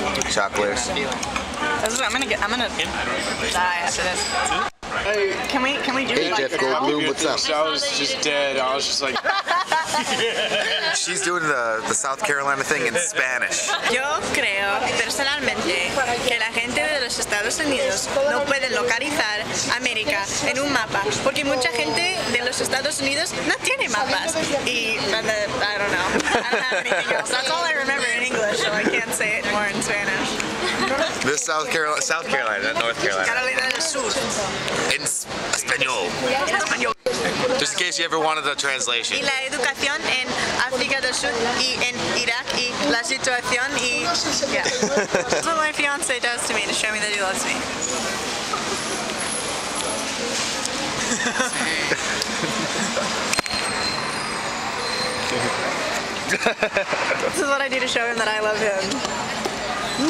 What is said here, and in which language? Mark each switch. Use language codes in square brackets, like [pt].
[en] Chocolate. That's what I'm gonna get. I'm gonna die after this. Hey, can we do hey, Jeff Goldblum, what's up? I was just dead. I was just like, she's doing the South Carolina thing in Spanish. [es] Yo creo personalmente que la gente de los Estados Unidos no puede localizar América en un mapa, porque mucha gente de los Estados Unidos no tiene mapas. [en] Y I don't know anything else. That's all I remember in English, so I can't say it more in Spanish. This South Carolina, not North Carolina. [es] Carolina del Sur. [en] In Espanol. Just in case you ever wanted a translation. [es] Y la educación en África del Sur y en Irak y la situación y... [en] Yeah. That's what my fiancé does to me to show me that he loves me. This is what I do to show him that I love him.